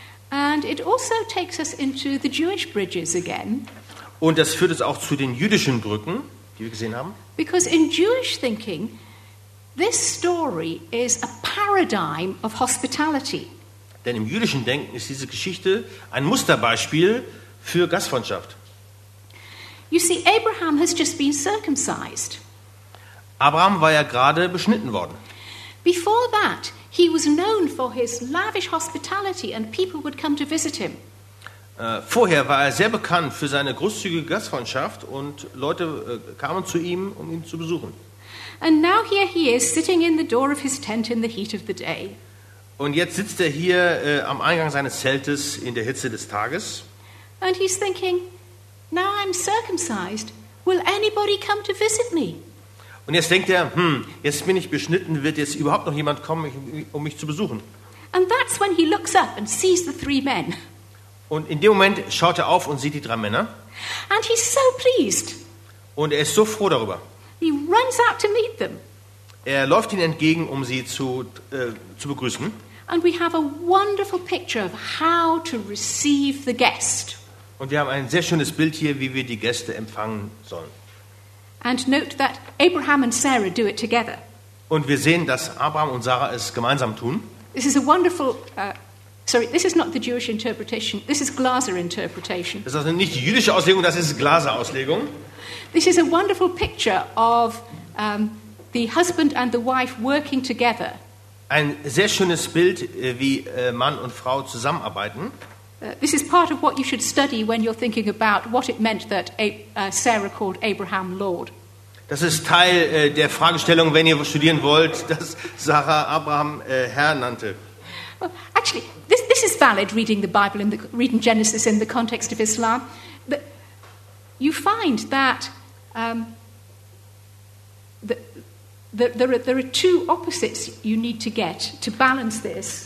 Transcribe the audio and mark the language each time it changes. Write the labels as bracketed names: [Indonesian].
[English] And it also takes us into the Jewish bridges again. [German] Und das führt uns auch zu den jüdischen Brücken, die wir gesehen haben. [English] Because in Jewish thinking, this story is a paradigm of hospitality. [German] Denn im jüdischen Denken ist diese Geschichte ein Musterbeispiel für Gastfreundschaft. [English] You see, Abraham has just been circumcised. [German] Abraham war ja gerade beschnitten worden. [English] Before that, he was known for his lavish hospitality and people would come to visit him. [German] Vorher war er sehr bekannt für seine großzügige Gastfreundschaft und Leute kamen zu ihm, um ihn zu besuchen. [English] And now here he is sitting in the door of his tent in the heat of the day. [German] Und jetzt sitzt er hier am Eingang seines Zeltes in der Hitze des Tages. [English] And he's thinking, now I'm circumcised, will anybody come to visit me? [German] Und jetzt denkt er, jetzt bin ich beschnitten, wird jetzt überhaupt noch jemand kommen, um mich zu besuchen? [English] And that's when he looks up and sees the three men. [German] Und in dem Moment schaut er auf und sieht die drei Männer. [English] And he's so pleased. [German] Und er ist so froh darüber. [English] He runs out to meet them. [German] Er läuft ihnen entgegen, um sie zu begrüßen. [English] And we have a wonderful picture of how to receive the guest. [German] Und wir haben ein sehr schönes Bild hier, wie wir die Gäste empfangen sollen. [English] And note that Abraham and Sarah do it together. [German] Und wir sehen, dass Abraham und Sarah es gemeinsam tun. [English] This is a wonderful this is not the Jewish interpretation. This is Glaser interpretation. [German] Das ist also nicht die jüdische Auslegung, das ist Glaser Auslegung. [English] This is a wonderful picture of the husband and the wife working together. [German] Ein sehr schönes Bild, wie Mann und Frau zusammenarbeiten. [English] This is part of what you should study when you're thinking about what it meant that Sarah called Abraham Lord. [German] Das ist Teil der Fragestellung, wenn ihr studieren wollt, dass Sarah Abraham Herr nannte. [English] Well, actually, this is valid reading the Bible in the reading Genesis in the context of Islam. But you find that there are two opposites you need to get to balance this.